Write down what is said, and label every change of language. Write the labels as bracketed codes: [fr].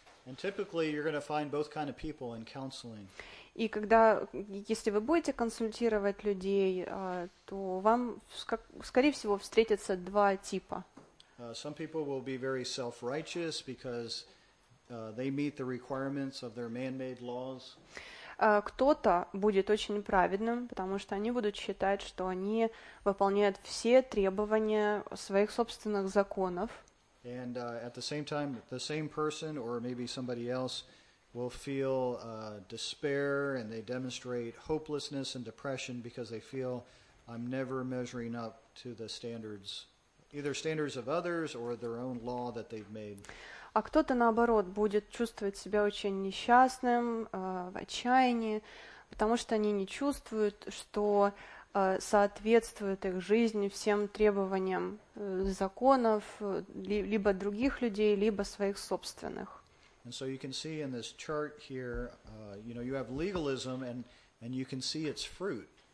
[en] And typically you're going to find both kind of people in counseling. [ru] И когда, если вы будете консультировать людей, то вам, скорее всего, встретятся два типа. [en] Some people will be very self-righteous because they meet the requirements of their man-made laws. [ru] Кто-то будет очень праведным, потому что они будут считать, что они выполняют все требования своих собственных законов. [en] And at the same time, the same person or maybe somebody else will feel despair and they demonstrate hopelessness and depression because they feel I'm never measuring up to the standards, either standards of others or their own law that they've made. [ru] А кто-то, наоборот, будет чувствовать себя очень несчастным, в отчаянии, потому что они не чувствуют, что соответствует их жизни всем требованиям законов либо других людей, либо своих собственных. [en] And so you can see in this chart here, you know, you have legalism and you can see its fruit.